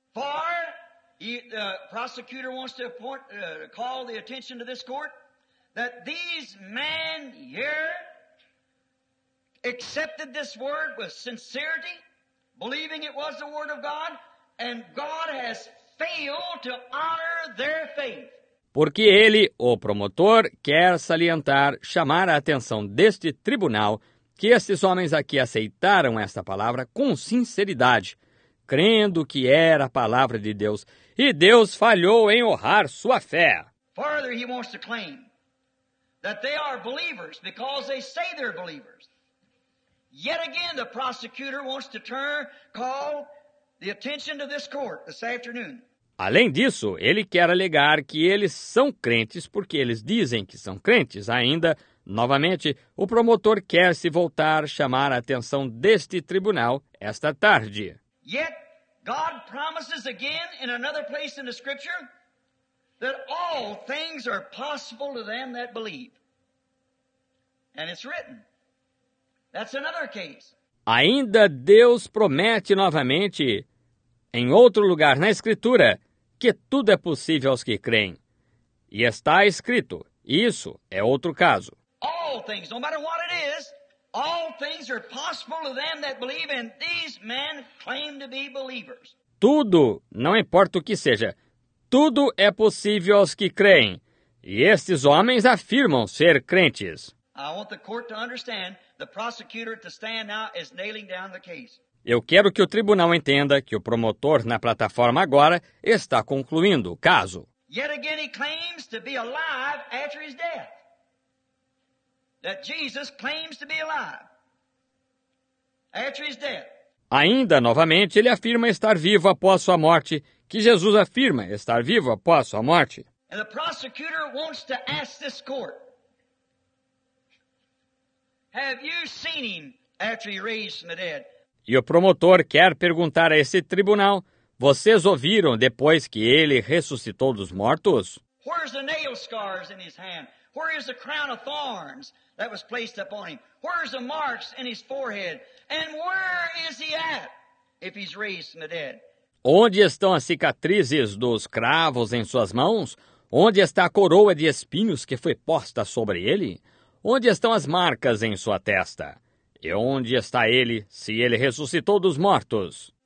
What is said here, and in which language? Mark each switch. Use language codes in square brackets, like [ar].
[en] For the prosecutor wants to point, call the attention to this court that these men here accepted this word with sincerity, believing it was the word of God, and God has failed to honor their faith. [pt] Porque ele, o promotor, quer salientar, chamar a atenção deste tribunal, que estes homens aqui aceitaram esta palavra com sinceridade, crendo que era a palavra de Deus, e Deus falhou em honrar sua fé. [en] Further, he wants to claim that they are believers because they say they're believers. Yet again, the prosecutor wants to turn, call the attention to this court this afternoon. [pt] Além disso, ele quer alegar que eles são crentes porque eles dizem que são crentes. Ainda, novamente, o promotor quer se voltar a chamar a atenção deste tribunal esta tarde. [en] Yet, God promises again in another place in the scripture that all things are possible to them that believe. And it's written. That's another case. [pt] Ainda Deus promete novamente, em outro lugar na Escritura, que tudo é possível aos que creem. E está escrito, isso é outro caso. [en] All things, no matter what it is, all things are possible to them that believe, and these men claim to be believers. [pt] Tudo, não importa o que seja, tudo é possível aos que creem. E estes homens afirmam ser crentes. [en] I want the court to understand the prosecutor to stand now is nailing down the case. [pt] Eu quero que o tribunal entenda que o promotor na plataforma agora está concluindo o caso. [en] Yet again he claims to be alive after his death. That Jesus claims to be alive after his death. [pt] Ainda novamente ele afirma estar vivo após sua morte, que Jesus afirma estar vivo após sua morte. [en] And the prosecutor wants to ask this court, have you seen him after he raised from the dead? [pt] E o promotor quer perguntar a esse tribunal, vocês ouviram depois que ele ressuscitou dos mortos? [en] Where's the nail scars in his hand? Where is the crown of thorns that was placed upon him? Where's the marks in his forehead? And where is he at if he's raised from the dead? [pt] Onde estão as cicatrizes dos cravos em suas mãos? Onde está a coroa de espinhos que foi posta sobre ele? Onde estão as marcas em sua testa? E onde está ele, se ele ressuscitou dos mortos?